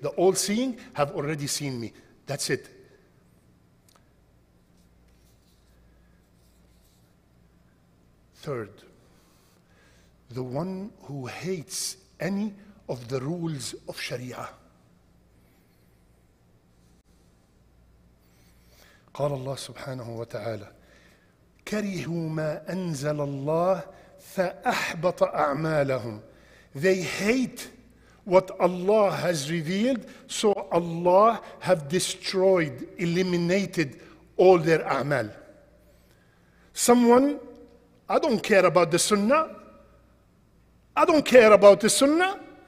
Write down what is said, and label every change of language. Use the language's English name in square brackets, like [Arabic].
[English] The all-seeing have already seen me. That's it. Third. The one who hates any of the rules of Sharia. [Arabic] قال الله سبحانه وتعالى كرهوا ما أنزل الله فأحبط أعمالهم. [English] They hate what Allah has revealed, so Allah have destroyed, eliminated all their a'mal. Someone, I don't care about the sunnah. I don't care about the sunnah.